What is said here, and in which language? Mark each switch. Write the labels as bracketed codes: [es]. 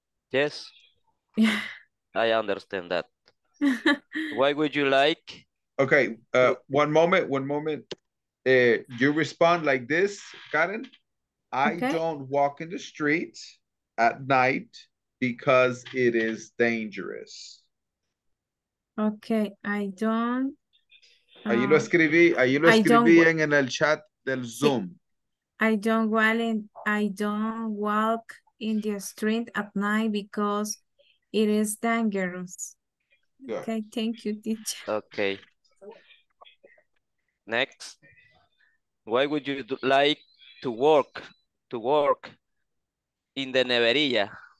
[en] Yes. I understand that. Why would you like? Okay, one moment. You respond like this, Karen. I don't walk in the street at night because it is dangerous. Okay, I don't. [es] Ahí lo escribí en el chat del Zoom. [en] I don't walk in the street at night because it is dangerous. Good. Okay, thank you, teacher. Okay. Next. Why would you like to work in the neveria?